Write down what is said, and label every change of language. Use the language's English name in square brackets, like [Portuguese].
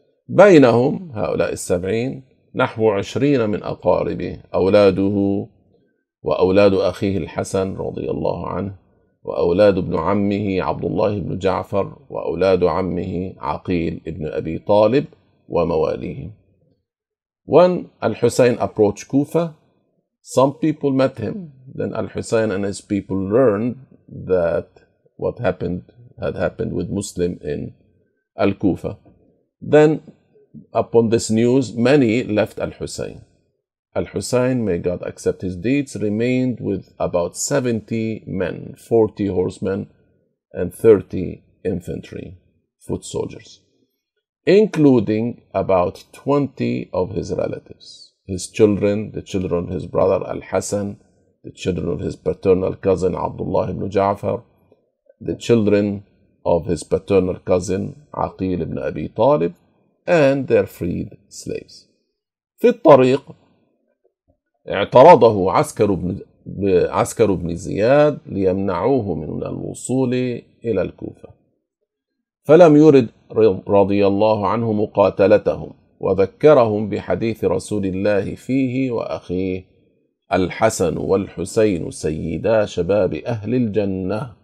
[Arabic] بينهم هؤلاء 70 نحو 20 من أقاربه، أولاده وأولاد أخيه الحسن رضي الله عنه، وأولاد ابن عمه عبد الله بن جعفر، وأولاد عمه عقيل ابن أبي طالب ومواليهم. [English] When الحسين approached Kufa, some people met him. Then الحسين and his people learned that what happened had happened with Muslim in Al-Kufa. Then upon this news, many left Al-Husayn. Al-Husayn, may God accept his deeds, remained with about 70 men, 40 horsemen and 30 infantry, foot soldiers, including about 20 of his relatives, his children, the children of his brother Al-Hasan, the children of his paternal cousin Abdullah ibn Ja'far, the children of his paternal cousin Aqil ibn Abi Talib, and their freed slaves. [Arabic] في الطريق اعترضه عسكر ابن زياد ليمنعوه من الوصول إلى الكوفة، فلم يرد رضي الله عنه مقاتلتهم، وذكرهم بحديث رسول الله فيه وأخيه: الحسن والحسين سيدا شباب أهل الجنة.